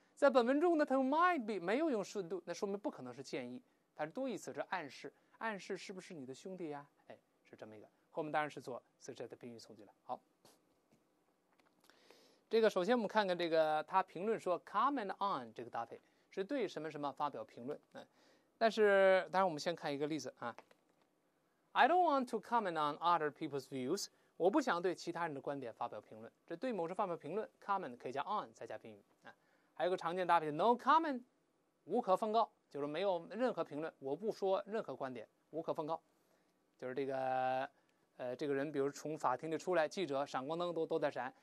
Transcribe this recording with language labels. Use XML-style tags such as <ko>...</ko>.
<zh>在本文中呢，它用 might be， 没有用 should do， 那说明不可能是建议，它是多义词，是暗示，暗示是不是你的兄弟呀？哎，是这么一个。后面当然是做 suggest 的宾语从句了。好，这个首先我们看看这个，他评论说 comment on 这个搭配是对什么什么发表评论。但是当然我们先看一个例子啊。</zh> <en>I don't want to comment on other people's views.</en> <zh>我不想对其他人的观点发表评论。这对某事发表评论 ，comment 可以加 on 再加宾语啊。还有个常见搭配 ，no comment， 无可奉告，就是没有任何评论，我不说任何观点，无可奉告。就是这个，这个人，比如从法庭里出来，记者闪光灯都在闪。</zh>